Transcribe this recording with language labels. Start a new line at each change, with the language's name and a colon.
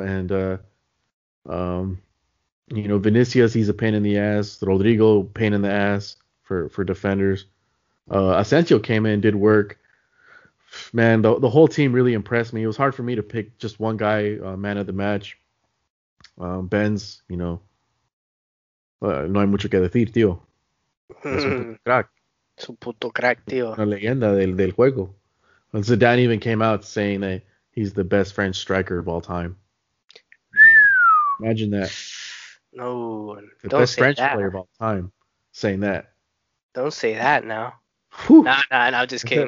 English: And you know, Vinicius, he's a pain in the ass. Rodrigo, pain in the ass for defenders. Asensio came in, did work. Man, the whole team really impressed me. It was hard for me to pick just one guy, man of the match.
Spanish: Benz,
English: you know,
Spanish: no hay mucho que decir, tío. Su puto crack, tío. La leyenda del juego.
English: And Zidane even came out saying that he's the best French striker of all time. Imagine that. No, the don't best say French that. Player of all time saying that. Don't say that now. No, I'm just kidding.